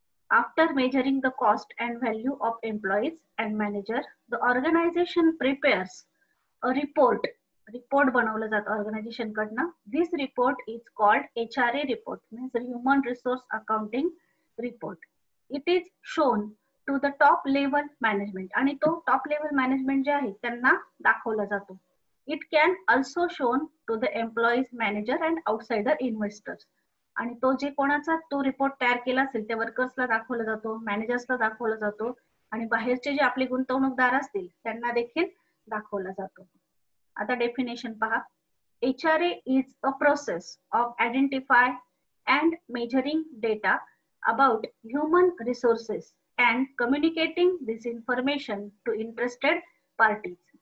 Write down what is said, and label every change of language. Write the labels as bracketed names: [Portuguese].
[English] After measuring the cost and value of employees and manager, the organization prepares a report. [Marathi] Report बनवला जात organization कडन. [English] This report is called HRA report, means human resource accounting report. It is shown to the top level management. [Marathi] आणि तो top level management जे आहे त्यांना दाखवला जातो. [English] It can also shown to the employees, manager and outsider investors. [Marathi] आणि तो जे कोणाचा तो रिपोर्ट तयार केला असेल त्या वर्कर्सला दाखवला जातो, मॅनेजर्सला दाखवला जातो आणि बाहेरचे जे आपले गुंतवणूकदार असतील त्यांना देखील दाखवला जातो. आता डेफिनेशन पहा. [English] HRA is a process of identify and measuring data about human resources and communicating this information to interested parties.